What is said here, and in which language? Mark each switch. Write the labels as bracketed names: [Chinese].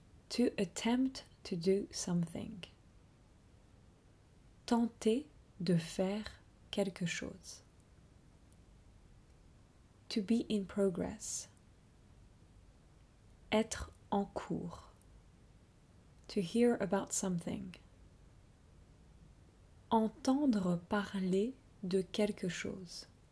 [English] To attempt to do something. [French] Tenter de faire quelque chose. [English] To be in progress. [French] Être en cours. [English] To hear about something. [French] Entendre parler de quelque chose.